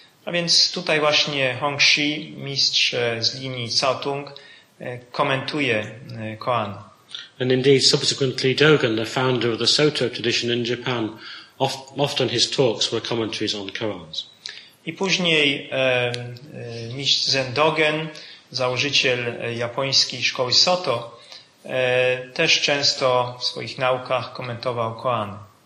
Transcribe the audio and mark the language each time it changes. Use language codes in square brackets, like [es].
[pl] A więc tutaj właśnie Hongxi, mistrz z linii Saotong, komentuje koan. [en] And indeed, subsequently, Dogen, the founder of the Soto tradition in Japan, often his talks were commentaries on koans. [pl] I później mistrz Zen Dogen, założyciel japońskiej szkoły Soto, też często w swoich naukach komentował koan.